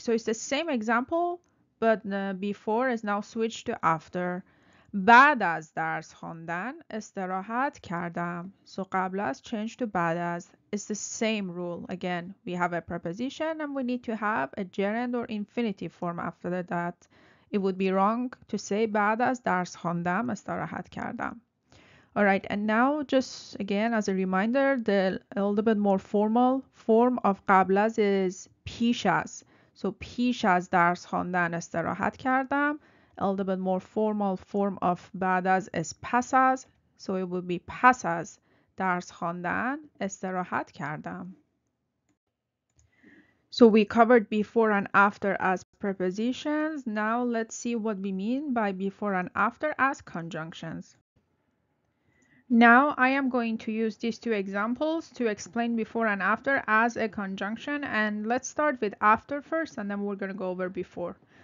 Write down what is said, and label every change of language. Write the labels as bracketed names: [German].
[English] So it's the same example, but before is now switched to after. [Persian] بعد از درس خواندن استراحت کردم. [English] So [Persian] قبل از [English] changed to [Persian] بعد از. [English] It's the same rule. Again, we have a preposition and we need to have a gerund or infinitive form after that. It would be wrong to say [Persian] بعد از درس خواندم استراحت کردم. [English] Alright, and now just again as a reminder, the a little bit more formal form of [Persian] قبل از [English] is [Persian] پیش از. [English] So [Persian] پیش از درس خواندن استراحت کردم. [English] A little bit more formal form of [Persian] بعد از [English] is [Persian] پس از. [English] So it would be [Persian] پس از درس خواندن استراحت کردم. [English] So we covered before and after as prepositions. Now let's see what we mean by before and after as conjunctions. Now I am going to use these two examples to explain before and after as a conjunction, and let's start with after first, and then we're going to go over before.